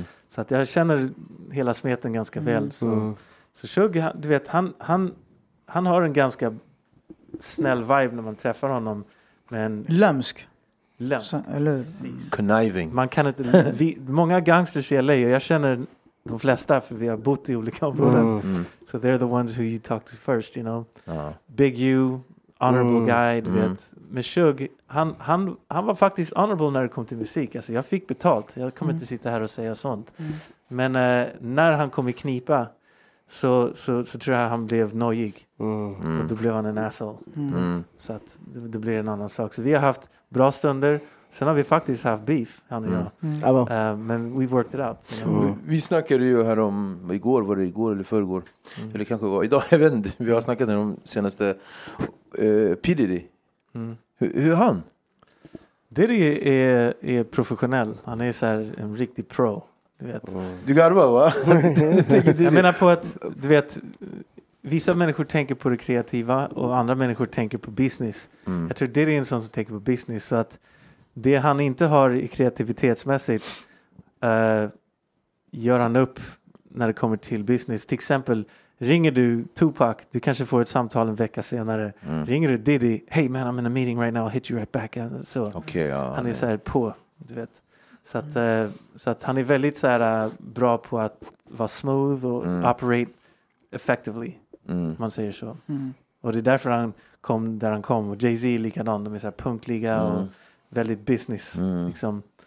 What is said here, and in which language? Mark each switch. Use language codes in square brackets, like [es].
[sv] Så att jag känner hela smeten ganska väl. Så Shug, du vet, han har en ganska snäll vibe när man träffar honom. Lömsk. Så, eller [en] conniving. [sv] Man kan inte, många gangsters i LA, och jag känner de flesta för vi har bott i olika områden. [en] So they're the ones who you talk to first, you know. Big U, honorable guy, [sv] du vet. Med Shug, han var faktiskt honorable när det kom till musik. Alltså, jag fick betalt. Jag kommer inte sitta här och säga sånt. Men när han kom i knipa så tror jag han blev nojig. Och då blev han en asshole. Så att det blir en annan sak. Så vi har haft bra stunder. Sen har vi faktiskt haft beef, han och jag. [en] Men we worked it out. [sv] Vi snackade ju här om igår, var det igår eller förrgår? Eller kanske var idag, jag vet inte. Vi har snackat om senaste P. Diddy. Hur är han? Diddy är professionell. Han är så här en riktig pro. Du garvar, va? Jag menar på att, du vet, vissa människor tänker på det kreativa och andra människor tänker på business. Jag tror det är en sån som tänker på business, så att det han inte har kreativitetsmässigt gör han upp när det kommer till business. Till exempel, ringer du Tupac, du kanske får ett samtal en vecka senare. Ringer du Diddy, [en] hey man, I'm in a meeting right now, I'll hit you right back. [sv] Så, [en] okay, [sv] han är så här på, du vet. Så att han är väldigt så här bra på att vara smooth och [en] operate effectively, [sv] man säger så. Och det är därför han kom där han kom. Och Jay-Z är likadant, de är så här punktliga och väldigt business. Liksom.